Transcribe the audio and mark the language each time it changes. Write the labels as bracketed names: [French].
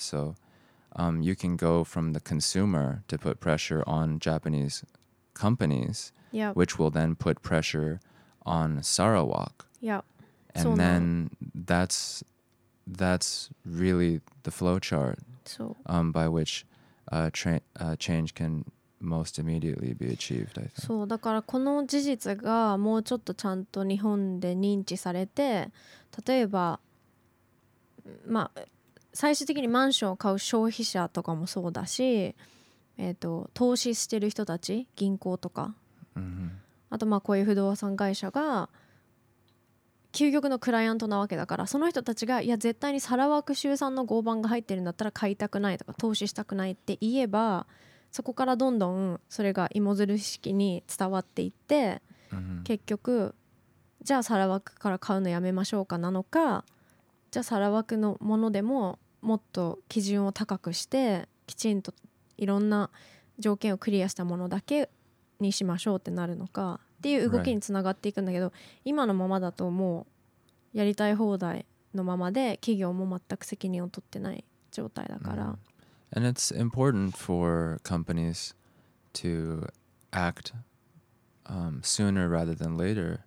[English] So you can go from the consumer to put pressure on Japanese companies, yeah, which will then put pressure on Sarawak. Yeah. And then that's really the flowchart by which change can most immediately be achieved, I think. [Japanese] そう、だからこの事実がもうちょっとちゃんと日本で認知されて、例えば、まあ、最終的にマンションを買う消費者とかもそうだし、投資してる人たち、銀行とか、 mm-hmm. あとまあこういう不動産会社が究極のクライアントなわけだから、その人たちがいや絶対にサラワク州産の合板が入ってるんだったら買いたくないとか投資したくないって言えば、そこからどんどんそれが芋づる式に伝わっていって、 mm-hmm. 結局じゃあサラワクから買うのやめましょうかなのか、じゃあサラワクのものでももっと基準を高くしてきちんといろんな条件をクリアしたものだけにしましょうってなるのかっていう動きにつながっていくんだけど、今のままだともうやりたい放題のままで企業も全く責任を取ってない状態だから、 mm-hmm. [English] And it's important for companies to act sooner rather than later、